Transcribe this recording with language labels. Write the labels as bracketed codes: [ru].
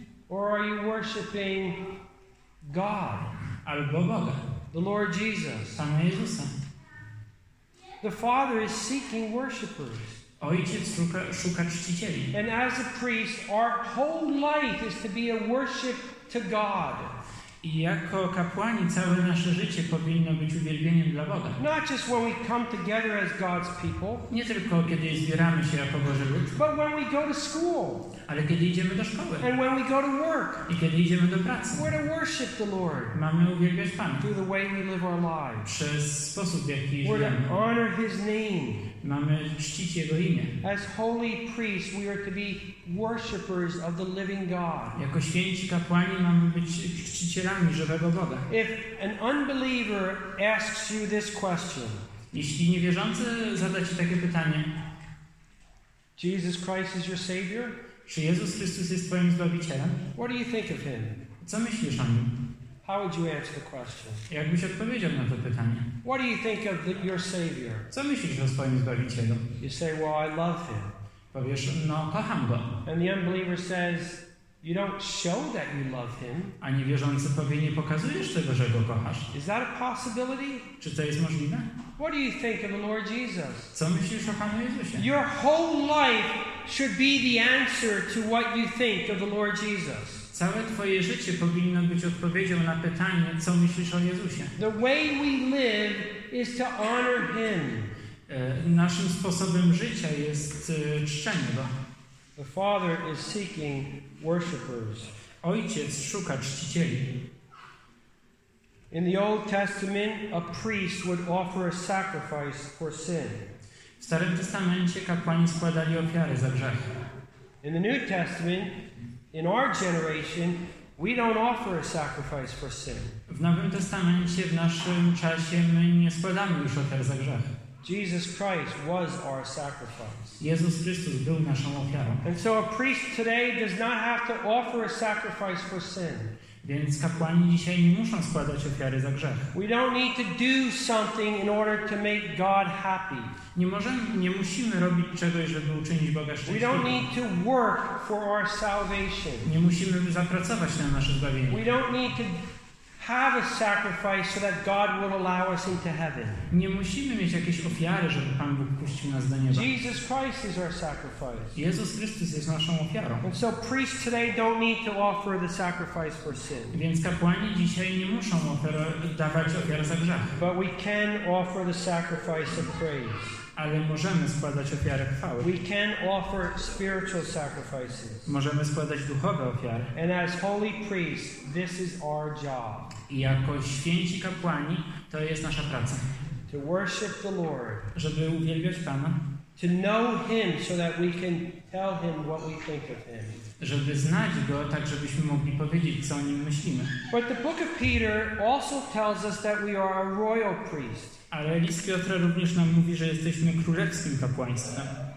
[en] Or are you worshiping God? [pl] Albo Boga. [en] The Lord Jesus. [pl] Pana Jezusa. [en] The Father is seeking worshipers. [pl] Ojciec szuka czcicieli. [en] And as a priest, our whole life is to be a worship to God. [pl] I jako kapłani całe nasze życie powinno być uwielbieniem dla Boga. [en] Not just when we come together as God's people. [pl] Nie tylko kiedy zbieramy się jako Boży lud. [en] But when we go to school. [pl] Ale kiedy idziemy do szkoły. [en] And when we go to work. [pl] I kiedy idziemy do pracy. [en] We're to worship the Lord. [pl] Mamy uwielbiać Pana. [en] Through the way we live our lives. [pl] Przez sposób, w jaki [en] we're [pl] żyjemy. [en] To honor His name. [pl] Mamy czcić Jego imię. [en] As holy priests, we are to be worshipers of the living God. [pl] Jako święci kapłani mamy być czcicielami żywego Boga. [en] If an unbeliever asks you this question, [pl] jeśli niewierzący zada ci takie pytanie, [en] Jesus Christ is your Savior? [pl] Czy Jezus Chrystus jest twoim zbawicielem? [en] What do you think of him? [pl] Co myślisz o nim? [en] How would you answer the question? [pl] Jakbyś odpowiedział na to pytanie? [en] What do you think of your Savior? [pl] Co myślisz o swoim zbawicielu? [en] You say, well, I love him. [pl] Powiesz, no, kocham go. [en] And the unbeliever says, you don't show that you love him. [pl] A niewierzący powie, nie pokazujesz tego, że go kochasz. [en] Is that a possibility? [pl] Czy to jest możliwe? [en] What do you think of the Lord Jesus? [pl] Co myślisz o Panu Jezusie? [en] Your whole life should be the answer to what you think of the Lord Jesus. [pl] Całe twoje życie powinno być odpowiedzią na pytanie, co myślisz o Jezusie. [en] The way we live is to honor him. [pl] Naszym sposobem życia jest czczenie go. [en] The Father is seeking worshipers. [pl] Ojciec szuka czcicieli. [en] In the Old Testament, a priest would offer a sacrifice for sin. [pl] W Starym Testamencie kapłani składali ofiary za grzech. [en] In the New Testament, in our generation, we don't offer a sacrifice for sin. [pl] W Nowym Testamencie, w naszym czasie, my nie składamy już ofiar za grzech. [en] Jesus Christ was our sacrifice. [pl] Jezus Chrystus był naszą ofiarą. [en] And so a priest today does not have to offer a sacrifice for sin. [pl] Więc kapłani dzisiaj nie muszą składać ofiary za grzech. [en] We don't need to do something in order to make God happy. [pl] Nie musimy robić czegoś, żeby uczynić Boga szczęśliwym. [en] We don't need to work for our salvation. [pl] Nie musimy zapracować na nasze zbawienie. [en] We don't need to have a sacrifice so that God will allow us into heaven. [pl] Nie musimy mieć jakiejś ofiary, żeby Pan Bóg puścił nas do nieba. [en] Jesus Christ is our sacrifice. [pl] Jezus Chrystus jest naszą ofiarą. [en] And so priests today don't need to offer the sacrifice for sin. [pl] Więc kapłani dzisiaj nie muszą dawać ofiar za grzech. [en] But we can offer the sacrifice of praise. [pl] Ale możemy składać ofiary chwały. [en] We can offer spiritual sacrifices. [pl] Możemy składać duchowe ofiary. [en] And as holy priests, this is our job. [pl] I jako święci kapłani, to jest nasza praca. [en] To worship the Lord. [pl] Żeby uwielbiać Pana. [en] To know Him so that we can tell Him what we think of Him. [pl] Żeby znać Go, tak żebyśmy mogli powiedzieć, co o Nim myślimy. [en] But the book of Peter also tells us that we are a royal priest. [pl] Ale list Piotra również nam mówi, że jesteśmy królewskim kapłaństwem.